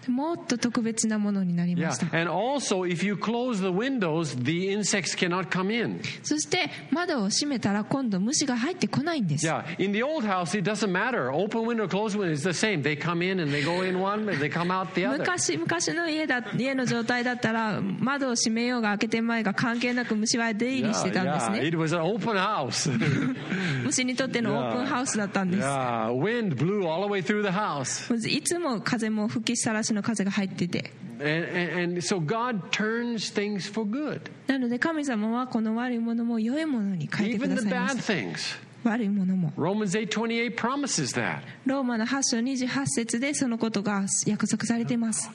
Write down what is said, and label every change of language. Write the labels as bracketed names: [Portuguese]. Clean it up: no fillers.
[Japanese] もっと特別なものになりました。 [English] Yeah. And also, if you close the windows, the insects cannot come in. [Japanese] そして窓を閉めたら今度虫が入ってこないんです。 [English] Yeah. In the old house, it doesn't matter. Open window, close window, it's the same. They come in and they go in one. They come out the other. [Japanese] 昔の 家の状態だったら窓を閉めようが開けてまいが関係なく虫は出入りしてたんですね。 [English] yeah, yeah. It was an open house. [Japanese] 虫にとってのオープンハウスだったんです。 [English] yeah. Wind blew all the way through the house. [Japanese] いつも風も吹きさらしの風が入ってて、 [English] And so God turns things for good. [Japanese] なので神様はこの悪いものも良いものに変えてくださいました。 [English] Even the bad things. [Japanese] 悪いものも。 [English] Romans 8:28 promises that. [Japanese] ローマの8章28節でそのことが約束されています。